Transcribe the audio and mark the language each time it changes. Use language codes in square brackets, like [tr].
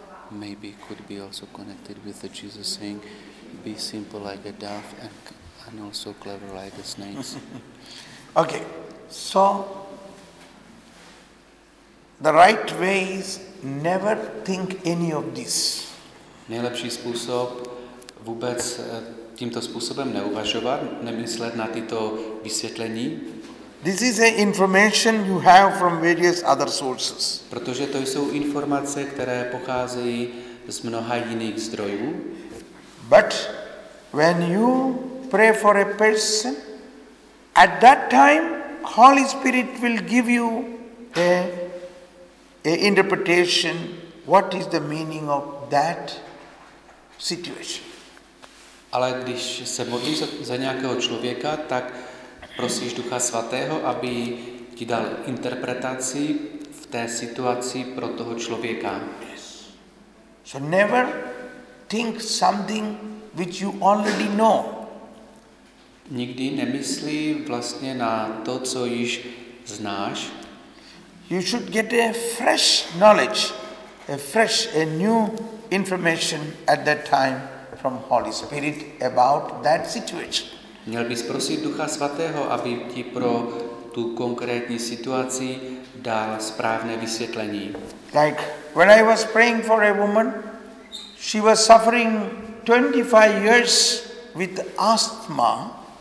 [en] Maybe it could be also connected with the Jesus saying, be simple like a dove and also clever like the snakes. Okay, so the right way is never think any of this. [cs] Nejlepší způsob vůbec tímto způsobem neuvažovat, nemyslet na tyto vysvětlení. [en] This is an information you have from various other sources. [cs] Protože to jsou informace, které pocházejí z mnoha jiných zdrojů. [en] But when you pray for a person, at that time Holy Spirit will give you a interpretation, what is the meaning of that situation. [cs] Ale když se modlíš za nějakého člověka, tak prosíš Ducha Svatého, aby ti dal interpretaci v té situaci pro toho člověka. [en] So never think something which you already know. [cs] Nikdy nemyslí vlastně na to, co již znáš. [en] You should get a fresh knowledge, a new information at that time from Holy Spirit about that situation. [cs] Měl bys prosit Ducha Svatého, aby ti pro tu konkrétní situaci dal správné vysvětlení. [en] Like when I was praying for a woman, she was suffering 25 years with asthma.